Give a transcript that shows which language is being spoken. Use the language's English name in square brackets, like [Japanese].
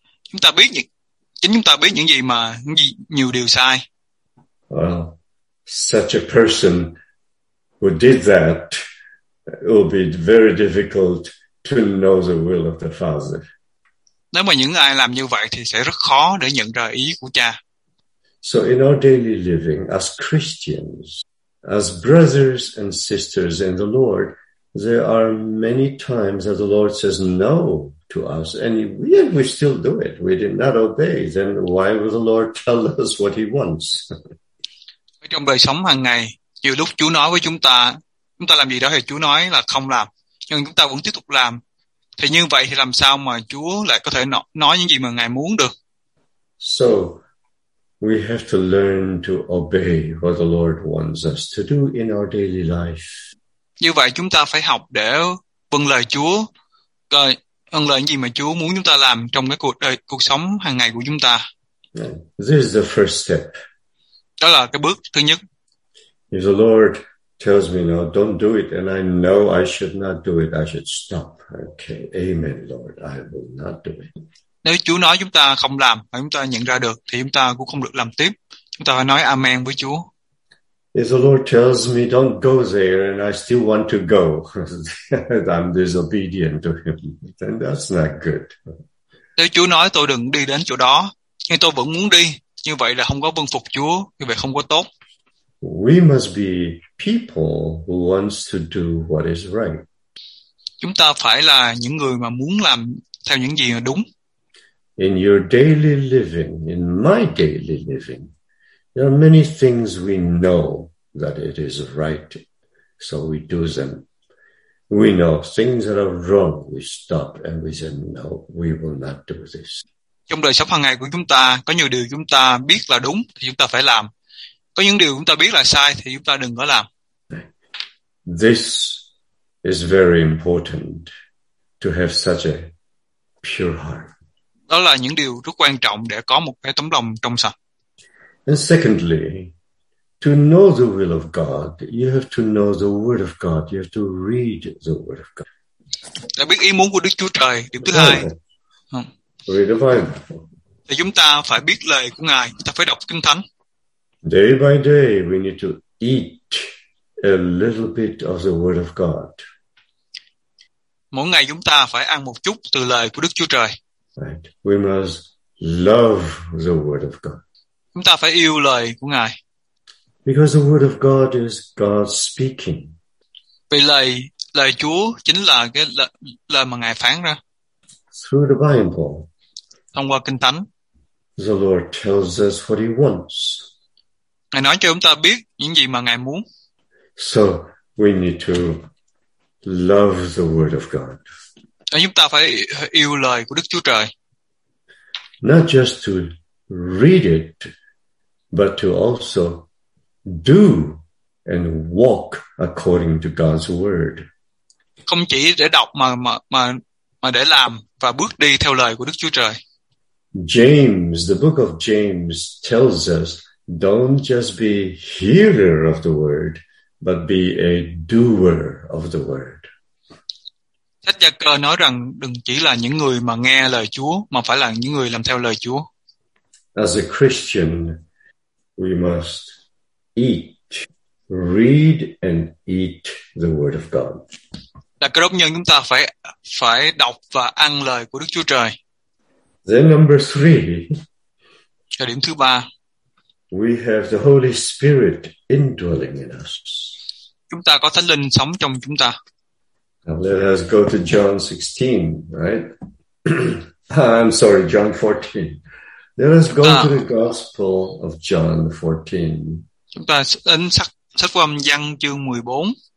[Vietnamese] Chúng ta biết chính chúng ta biết những gì mà những gì, nhiều điều sai. [English] Well, such a person who did that, it will be very difficult to know the will of the Father. [Vietnamese] Nếu mà những ai làm như vậy thì sẽ rất khó để nhận ra ý của Cha. [English] So in our daily living, as Christians, as brothers and sisters in the Lord, there are many times that the Lord says no to us, and we still do it. We did not obey. Then why will the Lord tell us what he wants? [Vietnamese] Trong đời sống hàng ngày, nhiều lúc Chúa nói với chúng ta làm gì đó thì Chúa nói là không làm, nhưng chúng ta vẫn tiếp tục làm. Thì như vậy thì làm sao mà Chúa lại có thể nói những gì mà Ngài muốn được? [English] So we have to learn to obey what the Lord wants us to do in our daily life. [Vietnamese] Như vậy chúng ta phải học để vâng lời Chúa, vâng lời những gì mà Chúa muốn chúng ta làm trong cái cuộc sống hàng ngày của chúng ta. [English] This is the first step. [Vietnamese] Đó là cái bước thứ nhất. [English] If the Lord tells me no, don't do it, and I know I should not do it, I should stop. Okay, amen, Lord, I will not do it. [Vietnamese] Nếu Chúa nói chúng ta không làm mà chúng ta nhận ra được, thì chúng ta cũng không được làm tiếp. Chúng ta phải nói amen với Chúa. [English] If the Lord tells me don't go there, and I still want to go, I'm disobedient to him, then that's not good. [Vietnamese] Nếu Chúa nói tôi đừng đi đến chỗ đó, nhưng tôi vẫn muốn đi, như vậy là không có vâng phục Chúa, như vậy không có tốt. [English] We must be people who wants to do what is right. [Vietnamese] Chúng ta phải là những người mà muốn làm theo những gì là đúng. [English] In your daily living, in my daily living, there are many things we know that it is right, so we do them. We know things that are wrong, we stop and we say, no, we will not do this. [Vietnamese] Trong đời sống hàng ngày của chúng ta, có nhiều điều chúng ta biết là đúng thì chúng ta phải làm. Có những điều chúng ta biết là sai thì chúng ta đừng có làm. [English] This is very important to have such a pure heart. [Vietnamese] Đó là những điều rất quan trọng để có một cái tấm lòng trong sạch. [English] And secondly, to know the will of God, you have to know the word of God. You have to read the word of God. [Vietnamese] Để biết ý muốn của Đức Chúa Trời, điều thứ hai. [English] Read the Bible. [Vietnamese] Thì chúng ta phải biết lời của Ngài, chúng ta phải đọc Kinh Thánh. [English] Day by day, we need to eat a little bit of the Word of God. [Vietnamese] Mỗi ngày chúng ta phải ăn một chút từ lời của Đức Chúa Trời. [English] Right. We must love the Word of God. [Vietnamese] Chúng ta phải yêu lời của Ngài. [English] Because the Word of God is God speaking. [Vietnamese] Vì lời Chúa chính là cái lời mà Ngài phán ra. [English] Through the Bible, [Vietnamese] thông qua Kinh Thánh, [English] the Lord tells us what he wants. [Vietnamese] Ngài nói cho chúng ta biết những gì mà Ngài muốn. [English] So we need to love the word of God. [Vietnamese] Và chúng ta phải yêu lời của Đức Chúa Trời. [English] Not just to read it, but to also do and walk according to God's word. [Vietnamese] Không chỉ để đọc mà để làm và bước đi theo lời của Đức Chúa Trời. [English] James, the book of James tells us, don't just be hearer of the word, but be a doer of the word. [Vietnamese] Sách Gia-cơ nói rằng đừng chỉ là những người mà nghe lời Chúa mà phải là những người làm theo lời Chúa. [English] As a Christian, we must eat, read and eat the word of God. [Vietnamese] Là cơ đốc nhân chúng ta phải đọc và ăn lời của Đức Chúa Trời. [English] Then number three. [Vietnamese] Cho điểm thứ ba. [English] We have the Holy Spirit indwelling in us. [Vietnamese] Chúng ta có Thánh Linh sống trong chúng ta. [English] Now let us go to John 16, right? I'm sorry, John 14. Let us go to the Gospel of John 14. [Vietnamese] Chúng ta đến sách Phúc Âm Giăng chương 14.